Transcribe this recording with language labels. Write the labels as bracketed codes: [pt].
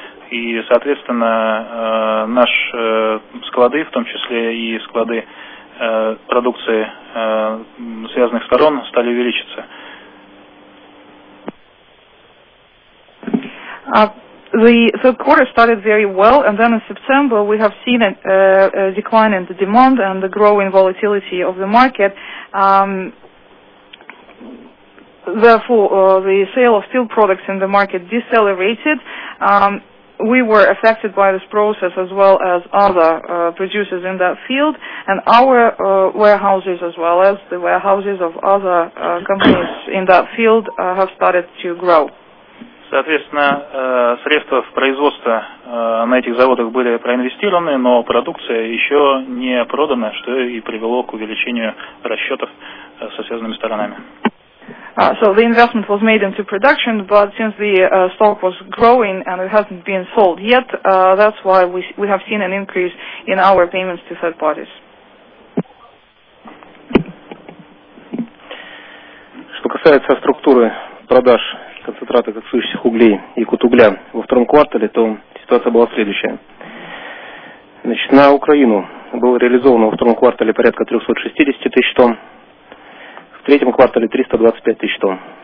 [ru] И, соответственно, наши склады, в том числе и склады продукции связанных сторон, стали увеличиться. [en] The third quarter started very well, and then in September we have seen a decline in the demand and the growing volatility of the market. Therefore, the sale of steel products in the market decelerated. We were affected by this process as well as other producers in that field, and our warehouses as well as the warehouses of other companies in that field have started to grow. [ru] Соответственно, средства в производство на этих заводах были проинвестированы, но продукция еще не продана, что и привело к увеличению расчетов со связанными сторонами. [en] So the investment was made into production, but since the stock was growing and it hasn't been sold yet, that's why we have seen an increase in our payments to third parties. [ru] Что касается структуры продаж концентрата коксующих углей и кутугля во втором квартале, то ситуация была следующая. Значит, на Украину было реализовано во втором квартале порядка 360 тысяч тонн, в третьем квартале 325 тысяч тонн.